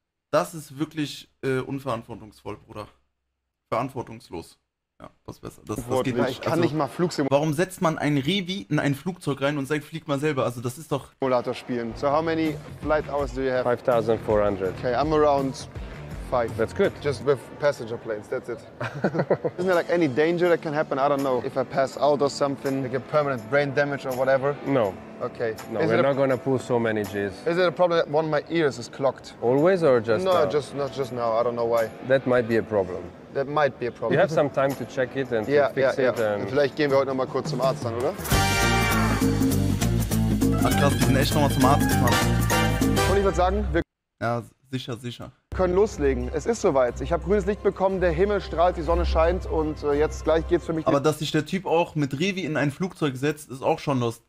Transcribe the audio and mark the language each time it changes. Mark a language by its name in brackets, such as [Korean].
[German] Das ist wirklich unverantwortungsvoll, Bruder. Verantwortungslos. Ja, was besser. Das geht nicht. Ich kann also, nicht mal Flugsimulator. Warum setzt man ein Rivi in ein Flugzeug rein und sagt, flieg mal selber? Also das ist doch... Simulator spielen. [English] So how many flight hours do you have? 5,400. Okay, I'm around 5. That's good. Just with passenger planes, that's it. Isn't there like any danger that can happen? I don't know. If I pass out or something, like a permanent brain damage or whatever? No. Okay. No, is we're not gonna pull so many Gs. Is it a problem that one of my ears is clocked? Always or just no, now? No, just not just now. I don't know why. That might be a problem. That might be a problem. You have some time to check it and yeah, to fix yeah, it. Yeah. And [German] vielleicht gehen wir heute noch mal kurz zum Arzt dann, oder? Ach krass, die sind echt noch mal zum Arzt gefahren. Und ich würde sagen, wir... Ja, sicher. Wir können loslegen. Es ist soweit. Ich habe grünes Licht bekommen, der Himmel strahlt, die Sonne scheint und jetzt gleich geht's für mich... Aber dass sich der Typ auch mit Rivi in ein Flugzeug setzt, ist auch schon los.